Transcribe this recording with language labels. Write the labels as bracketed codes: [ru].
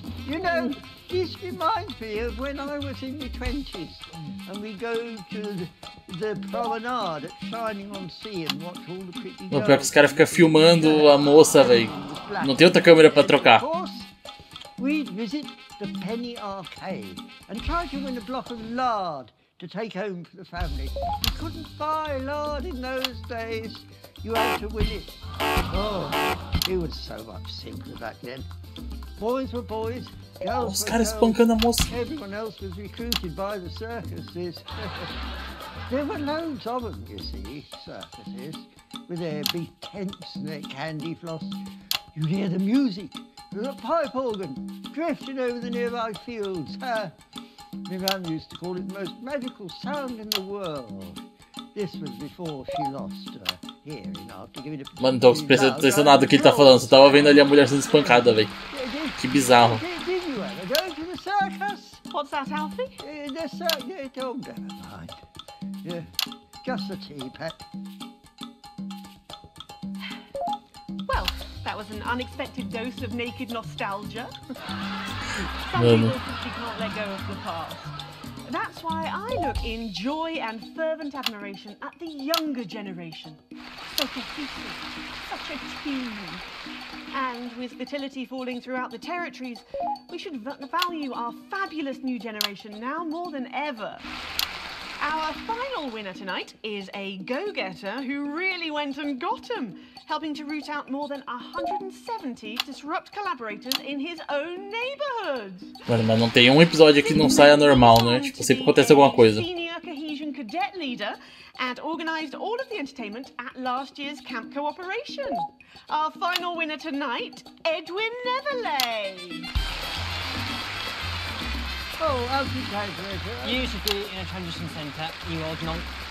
[en] You know, this reminds me of when I was in my 20s and we go to the promenade at Shining on Sea and watch all the pretty girls. [pt] O pior que os caras ficam filmando a moça, velho. Não tem outra câmera pra trocar. [en] We'd visit the penny arcade and try to win a block of lard to take home for the family. You couldn't buy lard in those days. You had to win it. Oh, it was so much simpler back then. Boys were boys, girls were girls. Everyone else was recruited by the circuses. There were loads of them, you see, circuses, with their big tents and their candy floss. You'd hear the music. There's a pipe organ drifting over the nearby fields. My mum used to call it the most magical sound in the world. This was before she lost her hearing after giving a... [pt] Mano, não tô prestando nada do que ele tá falando. Só tava vendo ali a mulher sendo espancada, velho. Que bizarro. [en] Did you ever go to the circus? What's that, Alfie? The circus. Oh, never mind. Just a teapot. Well. That was an unexpected dose of naked nostalgia. [pt] Mano. [en] She can't let go of the past. That's why I look in joy and fervent admiration at the younger generation. Such a future, such a team. And with fertility falling throughout the territories, we should value our fabulous new generation now more than ever. Our final winner tonight is a go-getter who really went and got 'em, helping to root out more than 170 disrupt collaborators in his own neighborhood. [pt] Mano, mas não tem um episódio que não saia normal, né? Tipo, sempre acontece alguma coisa. [en] Senior cohesion cadet leader and organized all of the entertainment at last year's camp cooperation. Our final winner tonight, Edwin Neverlay. Oh, you should be in a transition center, you old nonk.